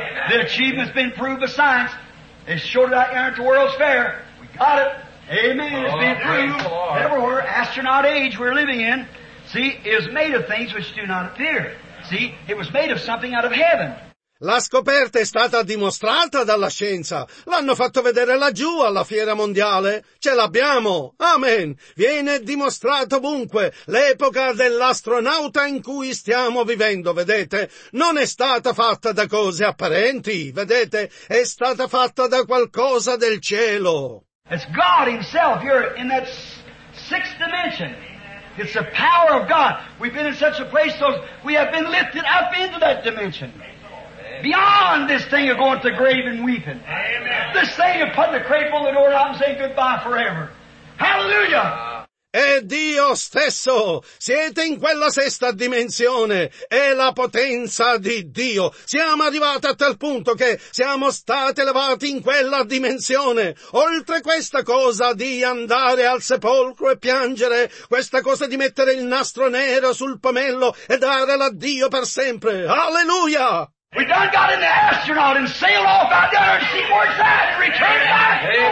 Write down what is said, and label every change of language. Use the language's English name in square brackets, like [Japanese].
[English] The achievement's been proved by science. It's short of that iron to world's fair. We got it. Amen. It's being proved. Everywhere, astronaut age we're living in, see, is made of things which do not appear. See, it was made of something out of heaven. [Italian] La scoperta è stata dimostrata dalla scienza. L'hanno fatto vedere laggiù alla fiera mondiale. Ce l'abbiamo. Amen. Viene dimostrato ovunque. L'epoca dell'astronauta in cui stiamo vivendo, vedete, non è stata fatta da cose apparenti. Vedete, è stata fatta da qualcosa del cielo. [English] It's God himself. You're in that sixth dimension. It's the power of God. We've been in such a place so we have been lifted up into that dimension. Beyond this thing of going to the grave and weeping. Amen. This thing of putting the crape on the door out and saying goodbye forever. Hallelujah! [Italian] È Dio stesso! Siete in quella sesta dimensione! È la potenza di Dio! Siamo arrivati a tal punto che siamo stati elevati in quella dimensione! Oltre questa cosa di andare al sepolcro e piangere, questa cosa di mettere il nastro nero sul pomello e dare l'addio per sempre! Alleluia! [English] We done got in the astronaut and sailed off out there and see where's that and returned back.